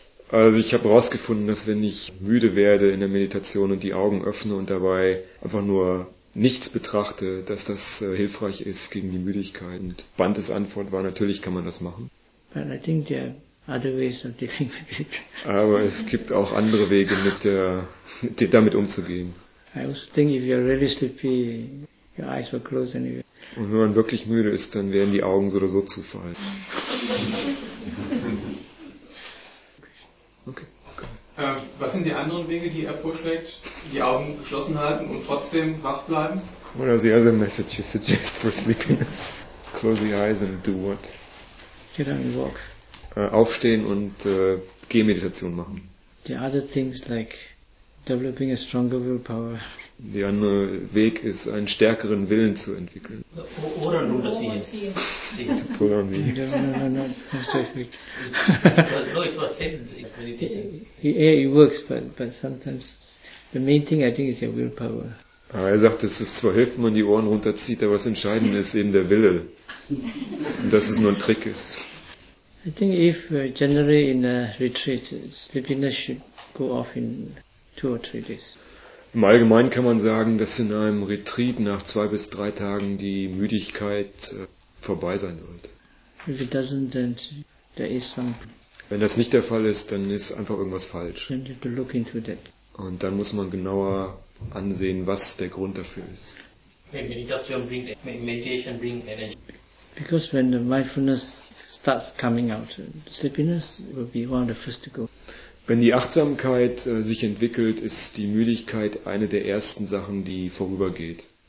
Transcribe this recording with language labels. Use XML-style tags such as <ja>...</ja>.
<de>Also ich habe herausgefunden, dass wenn ich müde werde in der Meditation und die Augen öffne und dabei einfach nur nichts betrachte, dass das hilfreich ist gegen die Müdigkeit. Und Bantes Antwort war, natürlich kann man das machen.</de> <en>But I think there are other ways of dealing with it.</en> <de>Aber es gibt auch andere Wege, damit umzugehen.</de> <en>I also think if you're really sleepy, your eyes will close anyway.</en> <de>Und wenn man wirklich müde ist, dann werden die Augen so oder so zufallen. Was sind die anderen Wege, die er vorschlägt, die Augen geschlossen halten und trotzdem wach bleiben?</de> <en>What are the other messages you suggest for sleepiness? Close the eyes and do what? Get up and walk.</en> <de>Aufstehen und Gehmeditation machen.</de> <en>The other things like developing a stronger willpower.</en> <de>Der andere Weg ist, einen stärkeren Willen zu entwickeln. Oder nur das hier.</de> <en>To pull on me. No, so effect. It works, but sometimes the main thing I think is your willpower.</en> <de>Aber er sagt, es ist zwar hilft, wenn man die Ohren runterzieht, aber das Entscheidende ist eben der Wille. Und dass es nur ein Trick ist.</de> <en>I think if generally in a retreat, sleepiness should go off in 2 or 3 days.</en> <de>Im Allgemeinen kann man sagen, dass in einem Retreat nach 2 bis 3 Tagen die Müdigkeit vorbei sein sollte.</de> <en>If it doesn't, then there is some.</en> <de>Wenn das nicht der Fall ist, dann ist einfach irgendwas falsch.</de> <en>Then you have to look into that.</en> <de>Und dann muss man genauer ansehen, was der Grund dafür ist.</de> <en>Meditation bring energy. Because when the mindfulness starts coming out, the sleepiness will be one of the first to go.</en> <de>Wenn die Achtsamkeit sich entwickelt, ist die Müdigkeit eine der ersten Sachen, die vorübergeht.</de>